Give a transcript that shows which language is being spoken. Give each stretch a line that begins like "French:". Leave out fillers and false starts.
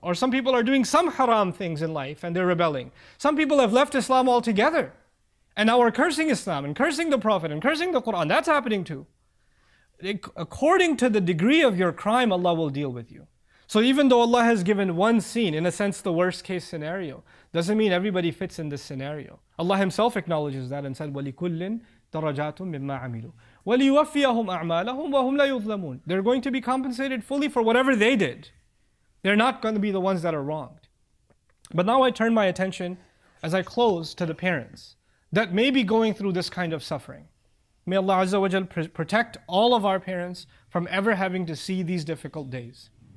English: Or some people are doing some haram things in life and they're rebelling. Some people have left Islam altogether. And now we're cursing Islam and cursing the Prophet and cursing the Quran. That's happening too. According to the degree of your crime, Allah will deal with you. So even though Allah has given one scene, in a sense the worst case scenario, doesn't mean everybody fits in this scenario. Allah Himself acknowledges that and said,
Arabic: وَلِكُلِّن دَرَجَاتٌ مِمَّا عَمِلُوا وَلِيُوَفِّيَهُمْ أَعْمَالَهُمْ وَهُمْ لَا يُظْلَمُونَ.
English: They're going to be compensated fully for whatever they did. They're not going to be the ones that are wronged. But now I turn my attention, as I close, to the parents that may be going through this kind of suffering. May Allah Azza wa Jal protect all of our parents from ever having to see these difficult days.